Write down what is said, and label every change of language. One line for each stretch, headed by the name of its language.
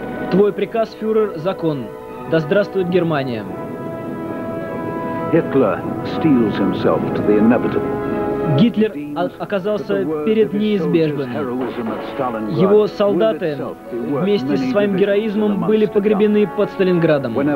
Russian: Твой приказ, фюрер, закон. Да здравствует Германия!
English: Hitler steals himself to the inevitable.
Russian: Гитлер оказался перед неизбежным. Его солдаты вместе со своим героизмом были погребены под Сталинградом.